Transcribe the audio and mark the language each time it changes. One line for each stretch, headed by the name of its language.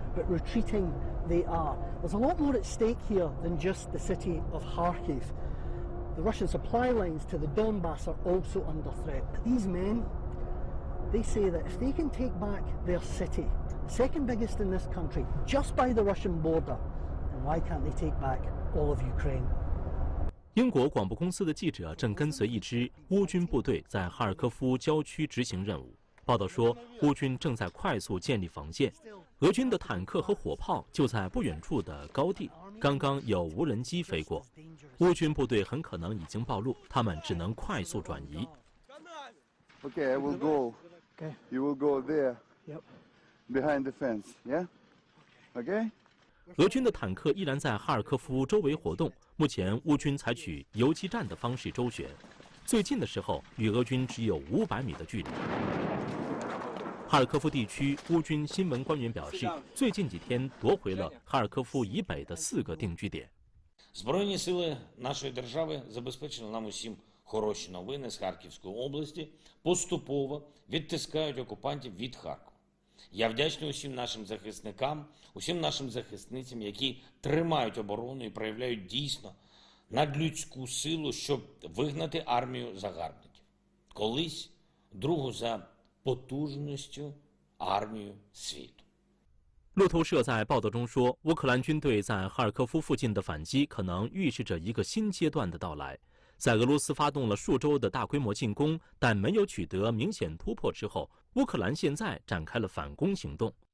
English: But retreating they are. There's a lot more at stake here than just the city of Kharkiv. The Russian supply lines to the Donbass are also under threat. But these men, they say that if they can take back their city, second biggest in this country, just by the Russian border,Why can't they take back all of Ukraine?
Chinese: 英国广播公司的记者正跟随一支乌军部队在哈尔科夫郊区执行任务。报道说，乌军正在快速建立防线，俄军的坦克和火炮就在不远处的高地，刚刚有无人机飞过。乌军部队很可能已经暴露，他们只能快速转移。
English: Okay, I will go. Okay, you will go there. Yep, behind the fence. Yeah. Okay.
Chinese: 俄军的坦克依然在哈尔科夫周围活动，目前乌军采取游击战的方式周旋，最近的时候与俄军只有500米的距离。哈尔科夫地区乌军新闻官员表示，最近几天夺回了哈尔科夫以北的4个定居点。
Ukrainian: Збройні сили нашої держави забезпечили нам усім хороші новини з Харківської області. Поступово відтискають окупантів від Харкова. Я вдячний усім нашим захисникам, усім нашим захисницям, які тримають оборону і проявляють дійсно надлюдську силу, щоб вигнати армію загарбників. Колись другу за потужністю армію світу.
Chinese: 路透社在报道中说，乌克兰军队在哈尔科夫附近的反击可能预示着一个新阶段的到来。在俄罗斯发动了数周的大规模进攻，但没有取得明显突破之后，乌克兰现在展开了反攻行动。